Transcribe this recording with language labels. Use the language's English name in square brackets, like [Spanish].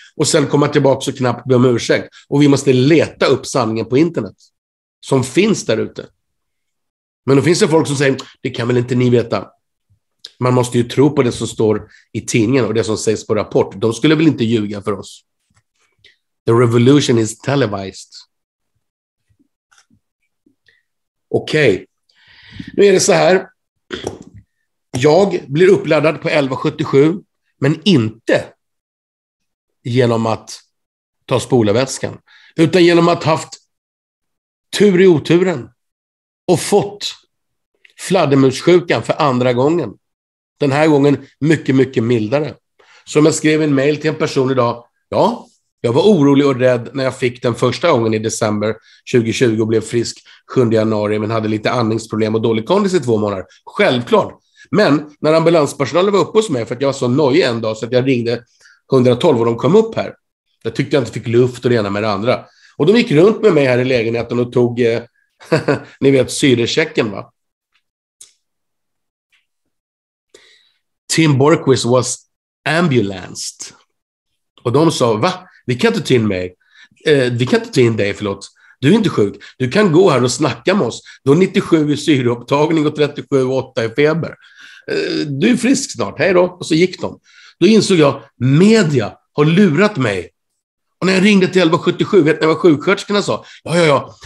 [Swedish] Och sen komma tillbaka och knappt be om ursäkt. Och vi måste leta upp sanningen på internet. Som finns där ute. Men då finns det folk som säger, det kan väl inte ni veta. Man måste ju tro på det som står i tidningen och det som sägs på rapport. De skulle väl inte ljuga för oss. [English] The revolution is televised. [Swedish] Okej. Nu är det så här. Jag blir uppladdad på 1177. Men inte genom att ta spolarvätskan. Utan genom att haft tur i oturen. Och fått fladdermussjukan för andra gången. Den här gången mycket, mycket mildare. Som jag skrev en mail till en person idag. Ja, jag var orolig och rädd när jag fick den första gången i december 2020 och blev frisk 7 januari men hade lite andningsproblem och dålig kondis i 2 månader. Självklart. Men när ambulanspersonalen var uppe hos mig för att jag var så nojig en dag så att jag ringde 112 och de kom upp här. Jag tyckte jag inte fick luft och det ena med det andra. Och de gick runt med mig här i lägenheten och tog, ni vet, syrechecken, va? [English] Tim Borquist was ambulanced. [Swedish] Och de sa, va? Vi kan inte ta in mig. Vi kan inte ta in dig, förlåt. Du är inte sjuk. Du kan gå här och snacka med oss. Du har 97 i syreupptagning och 37 och 8 i feber. Du är frisk snart. Hej då. Och så gick de. Då insåg jag, media har lurat mig. Och när jag ringde till 1177, vet ni vad sjuksköterskorna sa? Ja, ja, ja.